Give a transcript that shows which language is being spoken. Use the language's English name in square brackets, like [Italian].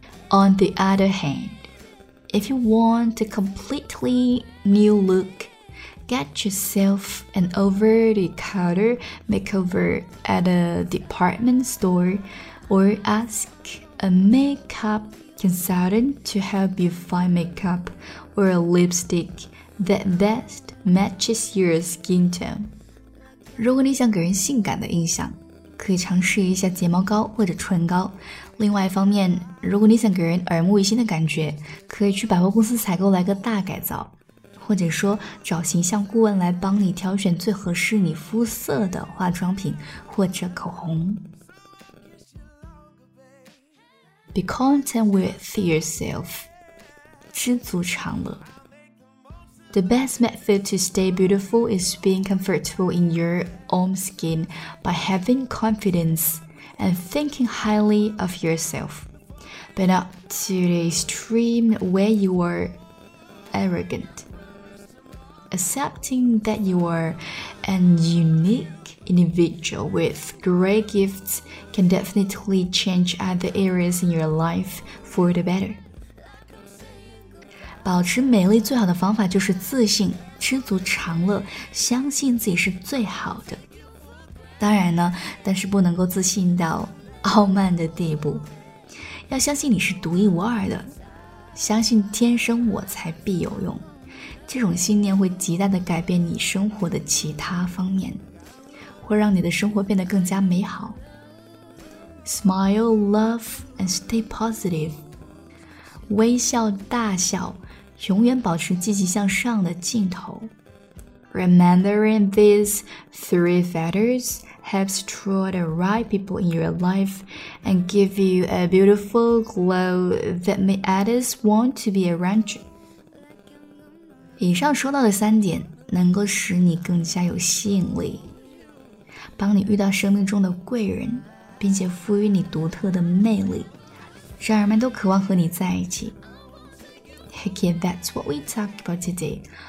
[English] On the other hand,If you want a completely new look, get yourself an over-the-counter makeover at a department store or ask a makeup consultant to help you find makeup or a lipstick that best matches your skin tone. [Chinese] 如果你想给人性感的印象，可以尝试一下睫毛膏或者唇膏。另外一方面，如果你想给人耳目一新的感觉，可以去百货公司采购来个大改造，或者说找形象顾问来帮你挑选最合适你肤色的化妆品或者口红。 [English] Be content with yourself，知足常乐。 The best method to stay beautiful is being comfortable in your own skin by having confidenceand thinking highly of yourself, but not to the extreme where you are arrogant. Accepting that you are a unique individual with great gifts can definitely change other areas in your life for the better. [Chinese] 保持美丽最好的方法就是自信，知足常乐，相信自己是最好的。当然呢，但是不能够自信到傲慢的地步，要相信你是独一无二的，相信天生我才必有用，这种信念会极大的改变你生活的其他方面，会让你的生活变得更加美好。 [English] Smile, love and stay positive， [Chinese] 微笑大笑，永远保持积极向上的劲头。 [English] Remembering these three factors helps draw the right people in your life and give you a beautiful glow that may others want to be around you. [Chinese] 以上说到的三点能够使你更加有吸引力，帮你遇到生命中的贵人，并且赋予你独特的魅力，让人们都渴望和你在一起。 [English] Heck yeah, that's what we talked about today.